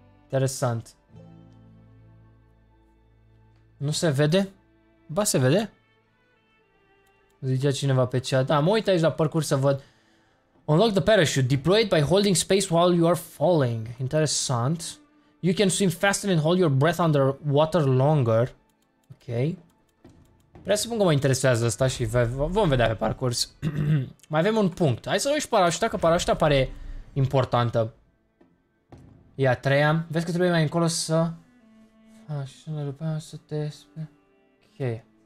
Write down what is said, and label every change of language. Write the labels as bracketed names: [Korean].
[Romanian] Interesant. Nu se vede? Ba, se vede. Zicea cineva pe chat. Da, mă uit aici la parcurs să văd. [English] Unlock the parachute. Deploy it by holding space while you are falling. Interesant. You can swim faster and hold your breath under water longer. Ok. [Romanian] Presupun că mă interesează asta și vom vedea pe parcurs. Mai avem un punct. Hai să luăm și parașuta, că parașuta pare importantă. E a treia. Vezi că trebuie mai încolo să... Așa, după aia să te... Ok.